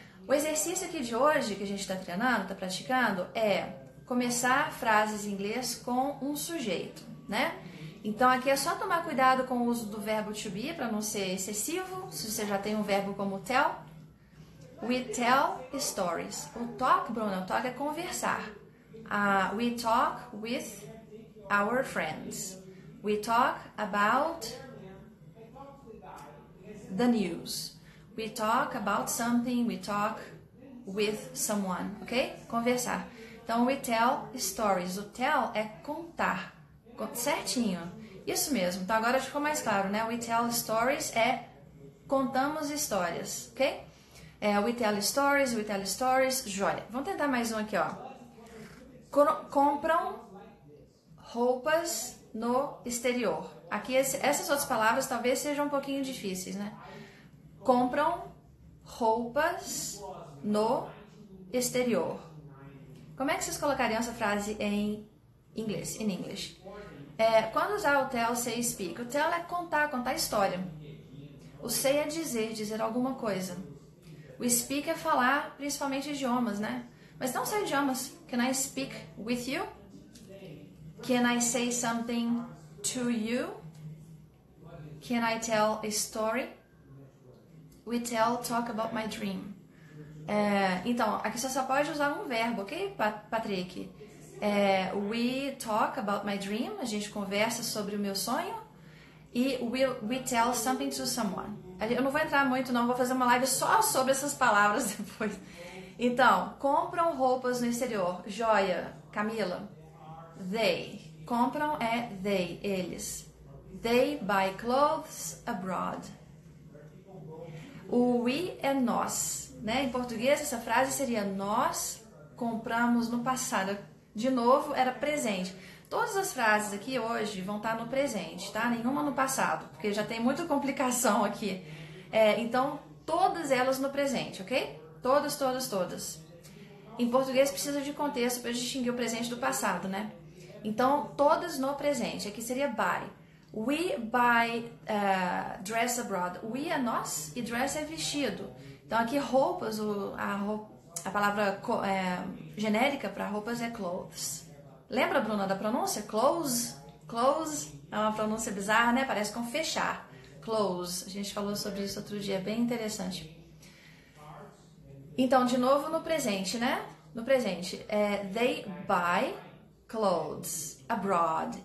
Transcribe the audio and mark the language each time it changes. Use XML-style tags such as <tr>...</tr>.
<pt>O exercício aqui de hoje que a gente está treinando, está praticando, é começar frases em inglês com um sujeito, né? Então aqui é só tomar cuidado com o uso do verbo to be para não ser excessivo, se você já tem um verbo como tell.</pt> <en>We tell stories.</en> <pt>O talk, Bruno, o talk é conversar.</pt> <en>We talk with our friends. We talk about the news. We talk about something. We talk with someone, ok?</en> <pt>Conversar. Então,</pt> <en>we tell stories.</en> <pt>O tell é contar. Certinho. Isso mesmo. Então, agora ficou mais claro, né?</pt> <en>We tell stories</en> <pt>é contamos histórias, ok?</pt> <en>We tell stories, we tell stories.</en> <pt>Joia. Vamos tentar mais um aqui, ó. Compram roupas no exterior. Aqui, essas outras palavras talvez sejam um pouquinho difíceis, né? Compram roupas no exterior. Como é que vocês colocariam essa frase em inglês?</pt> <en>In English.</en> <pt>Quando usar o tell, say, speak? O tell é contar, contar história. O say é dizer, dizer alguma coisa. O speak é falar, principalmente idiomas, né? Mas não só idiomas.</pt> <en>Can I speak with you? Can I say something to you? Can I tell a story? We tell, talk about my dream.</en> <pt>Então, aqui você só pode usar um verbo, ok, Patrick?</pt> <en>We talk about my dream.</en> <pt>A gente conversa sobre o meu sonho.</pt> <en>E we tell something to someone.</en> <pt>Eu não vou entrar muito, não. Vou fazer uma live só sobre essas palavras depois. Então, compram roupas no exterior. Joia, Camila. They. Compram é they, eles.</pt> <en>They buy clothes abroad.</en> <pt>O we é nós, né? Em português, essa frase seria nós compramos no passado. De novo, era presente. Todas as frases aqui hoje vão estar no presente, tá? Nenhuma no passado, porque já tem muita complicação aqui. Então, todas elas no presente, ok? Todas, todas, todas. Em português, precisa de contexto para distinguir o presente do passado, né? Então, todas no presente. Aqui seria buy.</pt> <en>We buy dress abroad.</en> <pt>We é nós e dress é vestido. Então, aqui roupas, a palavra genérica para roupas é clothes. Lembra, Bruna, da pronúncia? Close. Close é uma pronúncia bizarra, né? Parece com fechar. Close. A gente falou sobre isso outro dia. É bem interessante. Então, de novo no presente, né? No presente.</pt> <en>They buy clothes abroad.</en>